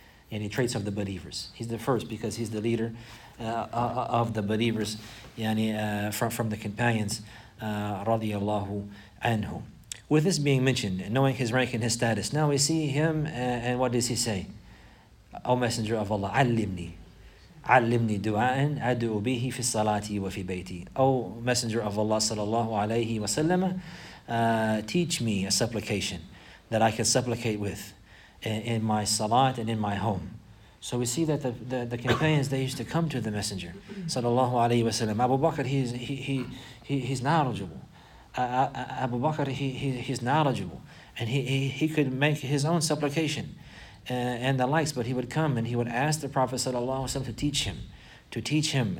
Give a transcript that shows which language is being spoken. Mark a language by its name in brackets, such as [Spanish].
[English] Yani traits of the believers. He's the first because he's the leader of the believers, yani from the companions, radiyallahu anhu. With this being mentioned, knowing his rank and his status, now we see him, and what does he say? O Messenger of Allah, [Arabic] علمني. علمني دعاءً أدعو به في صلاتي وفي بيتي. [English] O Messenger of Allah sallallahu alayhi wa sallam, teach me a supplication that I can supplicate with in my salat and in my home. So we see that the companions, they used to come to the Messenger sallallahu alayhi wa sallam. Abu Bakr, he's knowledgeable. Abu Bakr, he's knowledgeable, and he could make his own supplication and the likes, but he would come and he would ask the Prophet sallallahu alaihi wasallam to teach him.